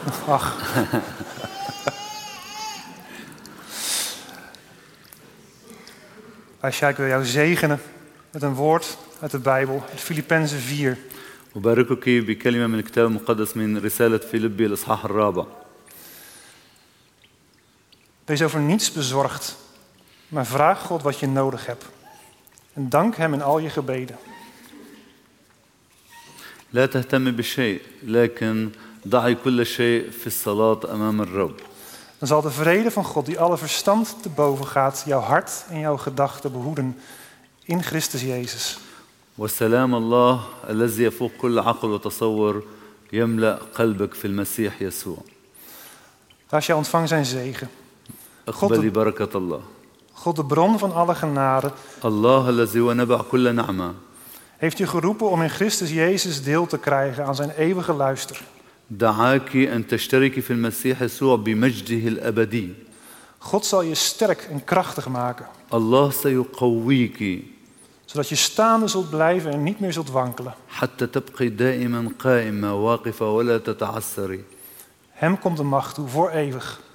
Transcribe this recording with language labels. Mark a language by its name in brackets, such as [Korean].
[Dutch] Ach. Rasha, ik wil jou zegenen. Met een woord uit de Bijbel, uit Filippenzen 4. [Arabic] وباركك بكلمة من الكتاب المقدس من رسالة فيليبي الإصحاح الرابع. [Dutch] Wees over niets bezorgd, maar vraag God wat je nodig hebt en dank hem in al je gebeden. [Arabic] لا تهتم بشيء، لكن ضع كل شيء في الصلاة أمام الرب. [Dutch] Dan zal de vrede van God die alle verstand te boven gaat jouw hart en jouw gedachten behoeden. In Christus Jezus. [Arabic] والسلام الله الذي يفوق كل عقل وتصور يملأ قلبك في المسيح يسوع. [Dutch] Rasha, ontvang zijn zegen. [Arabic] اقبل بركة الله. [Dutch] God de bron van alle genade. [Arabic] الله الذي هو نبع كل نعمة. [Dutch] Heeft u geroepen om in Christus Jezus deel te krijgen aan zijn eeuwige luister. [Arabic] دعاك أن تشتركي في المسيح يسوع بمجده الأبدي. [Dutch] God zal je sterk en krachtig maken. [Arabic] Allah sayuqawwiki. [Dutch] Zodat je staande zult blijven en niet meer zult wankelen. [Arabic] Hatta tabqi daiman qa'ima waqifa wa la tata'assari. [Dutch] Hem komt de macht toe voor eeuwig.